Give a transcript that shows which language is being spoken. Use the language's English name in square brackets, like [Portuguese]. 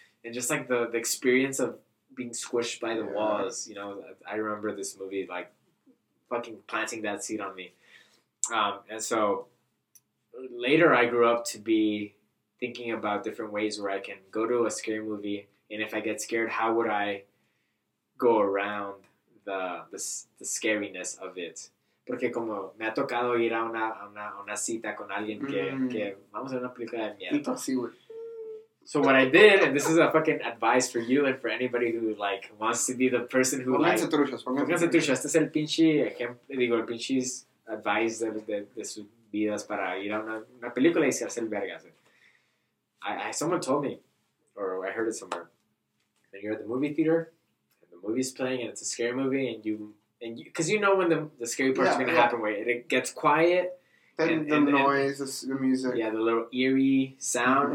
[English] And just, like, the experience of... being squished by the walls, you know, I remember this movie, like, fucking planting that seed on me, and so, later I grew up to be thinking about different ways where I can go to a scary movie, and if I get scared, how would I go around the scariness of it, [Spanish] porque como me ha tocado ir a una cita con alguien que vamos a una película de miedo. [English] So what I did, and this is a fucking advice for you and for anybody who, like, wants to be the person who, like... [Spanish] Pónganse truchas. Este es el pinche ejemplo, digo, el pinche advice de sus vidas para ir a una película y se hace el vergas. [English] Someone told me, or I heard it somewhere, that you're at the movie theater, and the movie's playing, and it's a scary movie, and you, because you know when the scary part's going to happen, where it gets quiet... Then the noise, the music. Yeah, the little eerie sound.